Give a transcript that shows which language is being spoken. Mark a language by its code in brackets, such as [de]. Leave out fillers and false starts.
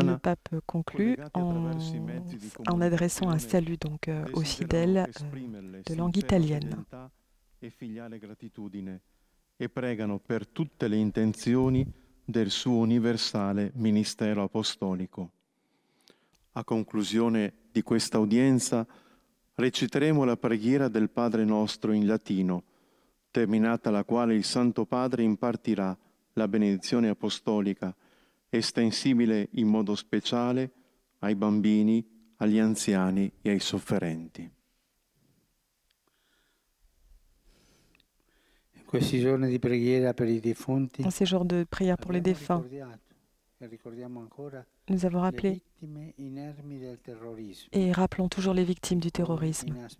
[fr] Et le pape conclut en adressant un salut donc aux fidèles de langue italienne. [it] E filiale gratitudine e pregano per tutte le intenzioni del suo universale ministero apostolico. A conclusione di questa udienza reciteremo la preghiera del Padre nostro in latino, terminata la quale il Santo Padre impartirà la benedizione apostolica, estensibile in modo speciale ai bambini, agli anziani e ai sofferenti. In questi giorni di preghiera per i defunti, [fr] in ces jours de prière pour les défunts, [it] ricordiamo ancora, [fr] nous avons rappelé [it] del terrorisme, [fr] et rappelons toujours les victimes du terrorisme.